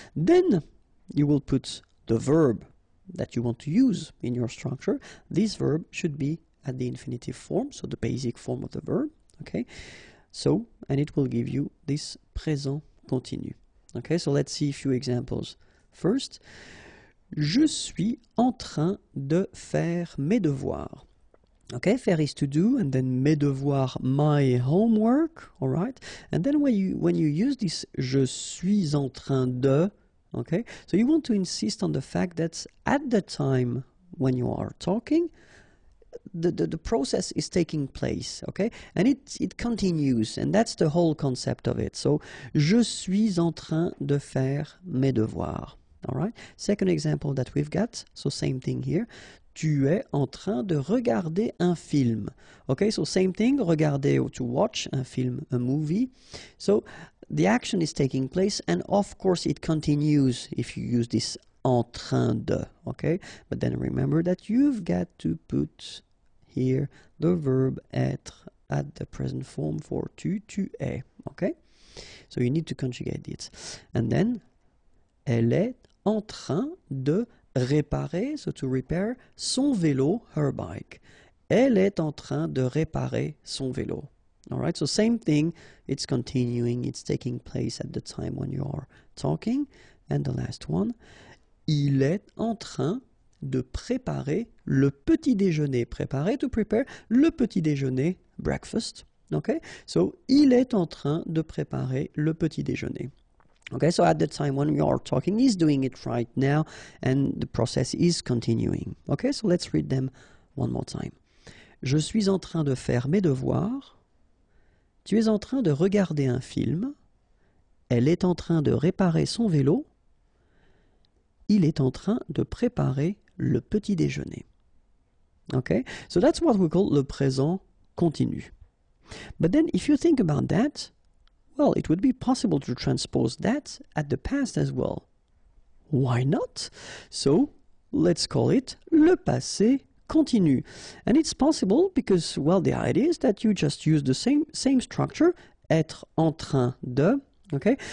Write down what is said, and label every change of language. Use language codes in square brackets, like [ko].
[en] Then you will put the verb that you want to use in your structure. This verb should be at the infinitive form, so the basic form of the verb, okay? So, and it will give you this présent continu. Okay, so let's see a few examples. First, [fr] je suis en train de faire mes devoirs. [en] Okay, faire is to do, and then mes devoirs, my homework, all right? And then when you use this je suis en train de, okay? So you want to insist on the fact that at the time when you are talking, the process is taking place, okay? And it continues, and that's the whole concept of it. [fr] So, je suis en train de faire mes devoirs. [en] All right? Second example that we've got, so same thing here. [fr] Tu es en train de regarder un film. [en] Okay, so same thing, regarder or to watch un film, a movie. So, the action is taking place, and of course, it continues if you use this en train de. Okay? But then remember that you've got to put here the verb être at the present form for tu es. Okay? So you need to conjugate it. And then, [fr] elle est en train de réparer, [en] so to repair, [fr] son vélo, [en] her bike. [fr] Elle est en train de réparer son vélo. [en] All right, so same thing, it's continuing, it's taking place at the time when you are talking. And the last one, [fr] il est en train de préparer le petit déjeuner. Préparer, [en] to prepare, [fr] le petit déjeuner, [en] breakfast. Okay, so [fr] il est en train de préparer le petit déjeuner. [en] Okay, so at the time when you are talking, he's doing it right now, and the process is continuing. Okay, so let's read them one more time. [fr] Je suis en train de faire mes devoirs. Tu es en train de regarder un film. Elle est en train de réparer son vélo. Il est en train de préparer le petit déjeuner. Okay? [en] So that's what we call le présent continu. But then, if you think about that, well, it would be possible to transpose that at the past as well. Why not? So let's call it le passé continue. And it's possible because, well, the idea is that you just use the same structure, être en train de, okay?